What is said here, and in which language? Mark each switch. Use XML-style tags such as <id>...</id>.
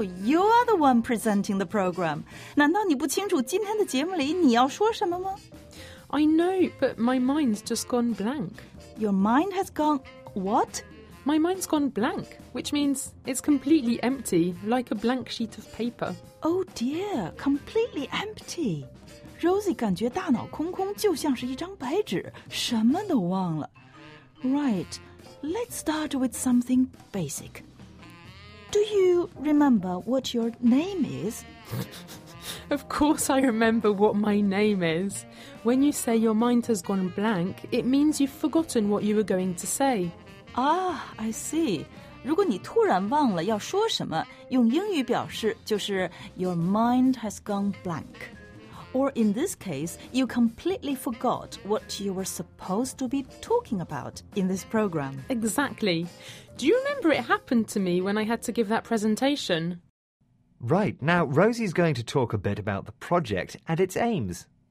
<en>You are the one presenting the program.</en> <zh>难道你不清楚今天的节目里你要说什么吗?</zh> <en>I know, but my mind's just gone blank. Your mind has gone... What? My mind's gone blank, which means it's completely empty, like a blank sheet of paper. Oh dear, completely empty.</en> <zh>Rosie 感觉大脑空空就像是一张白纸什么都忘了</zh> <en>Right, let's start with something basic. Do you remember what your name is? Of course I remember what my name is. When you say your mind has gone blank, it means you've forgotten what you were going to say. Ah, I see.</en> <zh>如果你突然忘了要说什么用英语表示就是</zh> <en>your mind has gone blank. Or in this case, you completely forgot what you were supposed to be talking about in this program. Exactly. Do you remember it happened to me when I had to give that presentation? Right. Now, Rosie's going to talk a bit about the project and its aims.</en>